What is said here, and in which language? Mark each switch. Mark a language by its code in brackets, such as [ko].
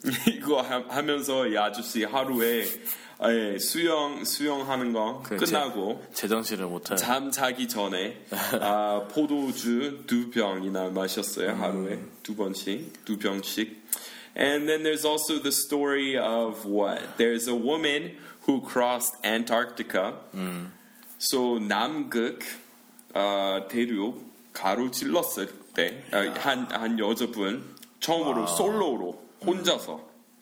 [ko] 이거 하면서 이 아저씨 하루에 수영하는 거 끝나고 제정신을 못해 잠자기 전에 포도주 두 병이나 마셨어요 하루에 두 번씩 두 병씩. [en] And then there's also the story of what? There's a woman who crossed Antarctica. [ko] So 남극 대륙 가로 질렀을 때 한 여자분 처음으로 솔로로 혼자서.